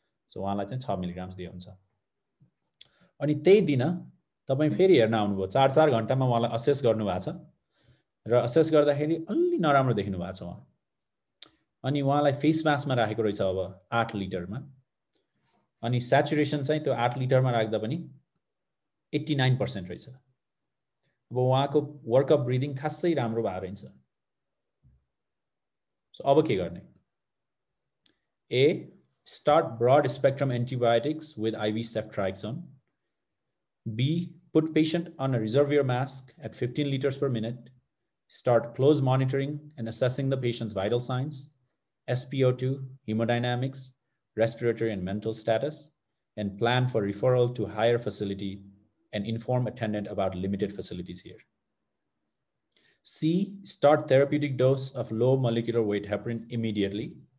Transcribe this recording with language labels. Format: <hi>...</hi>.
<ne>So उहाँलाई चाहिँ 6 मिलिग्राम्स दिए हुन्छ. अनि त्यही दिन तपाईँ फेरि हेर्न आउनुभयो, 4-4 घन्टामा उहाँलाई असेस गर्नुभएको छ र असेस गर्दाखेरि अलि नराम्रो देख्नु भएको छ उहाँ, अनि उहाँलाई फेस मास्कमा राखेको रहेछ अब 8 लिटरमा, अनि सेचुरेसन चाहिँ त्यो 8 लिटरमा राख्दा पनि 89% रहेछ. अब उहाँको वर्कअप ब्रिदिङ खासै राम्रो भएर रहेछ. सो अब के गर्ने?</ne> <en>A, start broad spectrum antibiotics with IV ceftriaxone. B, put patient on a reservoir mask at 15 litres per minute. Start close monitoring and assessing the patient's vital signs, SPO2, hemodynamics, respiratory and mental status, and plan for referral to higher facility and inform attendant about limited facilities here. C, start therapeutic dose of low molecular weight heparin immediately.</en>